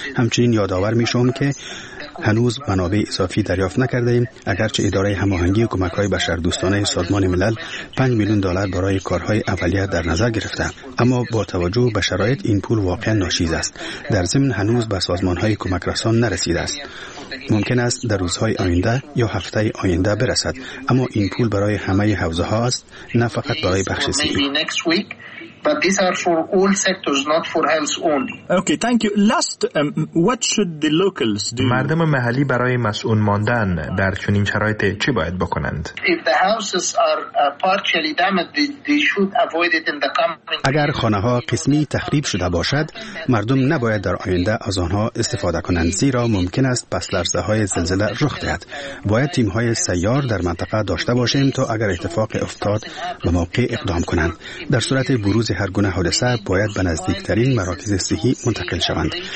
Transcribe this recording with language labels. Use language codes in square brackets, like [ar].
[fa] همچنین یادآور می‌شوم که هنوز منابع اضافی دریافت نکرده ایم، اگرچه اداره هماهنگی کمک‌های بشردوستانه سازمان ملل $5 میلیون برای کارهای اولیه در نظر گرفته، اما با توجه به شرایط این پول واقعا ناچیز است. در ضمن هنوز به سازمان‌های کمک رسان نرسیده است. ممکن است در روزهای آینده یا هفته آینده برسد، اما این پول برای همه حوزه‌ها است، نه فقط برای بخش صحی. [en] But these are for all sectors, not for health only. Okay, thank you. Last, what should the locals do? [fa] مردم محلی برای مسئول ماندن در چنین شرایطی چی باید بکنند؟ [en] If the houses are partially damaged, they should avoid it in the coming. [fa] اگر خانه‌ها قسمی تخریب شده باشد، مردم نباید در آینده از آنها استفاده کنند، زیرا ممکن است پس‌لرزه‌های زلزله رخ دهد. باید تیم‌های سیار در منطقه داشته باشیم تا اگر اتفاق افتاد به موقع اقدام کنند. در صورت بروز هر گونه حادثه باید به نزدیکترین مراکز صحی منتقل شوند.